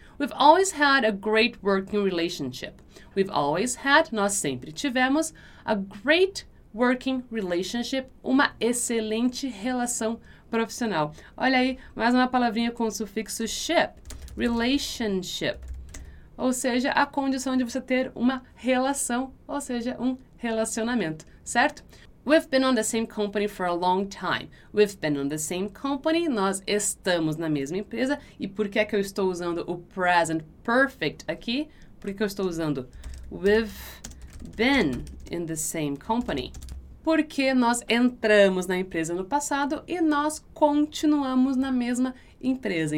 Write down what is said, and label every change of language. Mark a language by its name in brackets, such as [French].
[English] We've always had a great working relationship. We've always had, [Portuguese] nós sempre tivemos, [English] a great working relationship, [Portuguese] uma excelente relação profissional. Olha aí, mais uma palavrinha com o sufixo ship, relationship, ou seja, a condição de você ter uma relação, ou seja, um relacionamento, certo? [English] We've been on the same company for a long time. We've been on the same company. [Portuguese] Nós estamos na mesma empresa. E por que é que eu estou usando o present perfect aqui? Por que eu estou usando [English] we've been in the same company? [Portuguese] Porque nós entramos na empresa no passado e nós continuamos na mesma empresa.